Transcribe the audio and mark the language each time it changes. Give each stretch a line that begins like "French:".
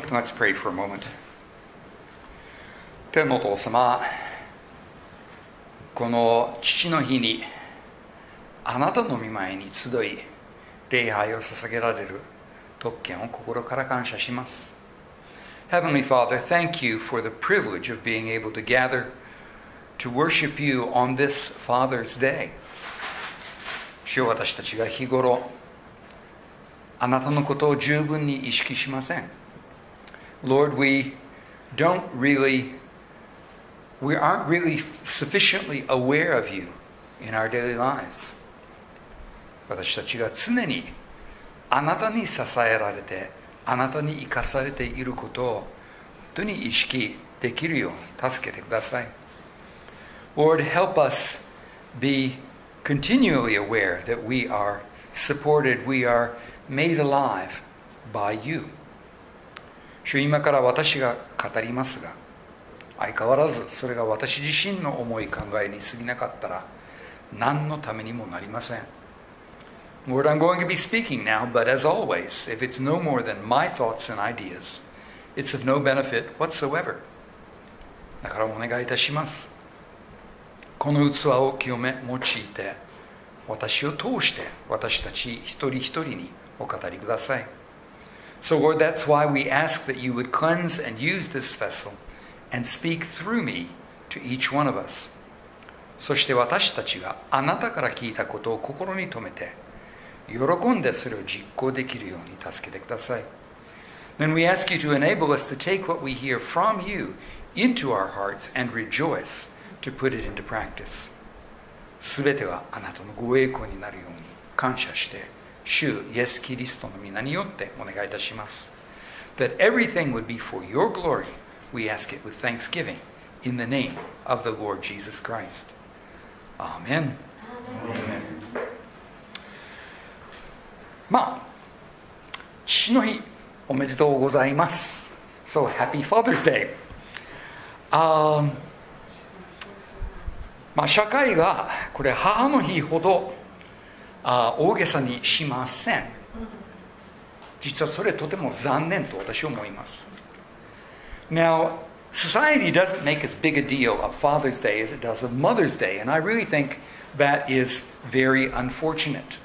English: Let's pray for a moment.
Japanese: 天のお父様、この父の日にあなたの御前に集い礼拝を捧げられる特権を心から感謝します。
English: Heavenly Father, thank you for the privilege of being able to gather to worship you on this Father's Day.
Japanese: 主よ、私たちが日頃あなたのことを十分に意識しません。
English: Lord, we aren't really sufficiently aware of you in our daily lives.
Japanese: 私たちが常にあなたに支えられて、あなたに生かされていることを本当に意識できるように助けてください。
English: Lord, help us be continually aware that we are supported, we are made alive by you.
Japanese: 主、今から私が語りますが、相変わらずそれが私自身の思い考えに過ぎなかったら何のためにもなりません。
English: Lord, I'm going to be speaking now, but as always, if it's no more than my thoughts and ideas, it's of no benefit whatsoever.
Japanese: だからお願いいたします。この器を清め用いて、私を通して私たち一人一人にお語りください。
English: So Lord, that's why we ask that you would cleanse and use this vessel and speak through me to each one of us.
Japanese: そして私たちがあなたから聞いたことを心に留めて、喜んでそれを実行できるように助けてください。
English: Then we ask you to enable us to take what we hear from you into our hearts and rejoice to put it into practice.
Japanese: すべてはあなたのご栄光になるように感謝して、主イエス・キリストの御名によってお願いいたします。
English: That everything would be for your glory, we ask it with thanksgiving, in the name of the Lord Jesus Christ. Amen. Amen.
Japanese: まあ、父の日、おめでとうございます。
English: So, happy Father's Day.
Japanese: まあ、社会がこれ母の日ほど大げさにしません。実はそれとても残念と私は思います。
English: Now, society doesn't make as big a deal of Father's Day as it does of Mother's Day, and I really think that is very unfortunate.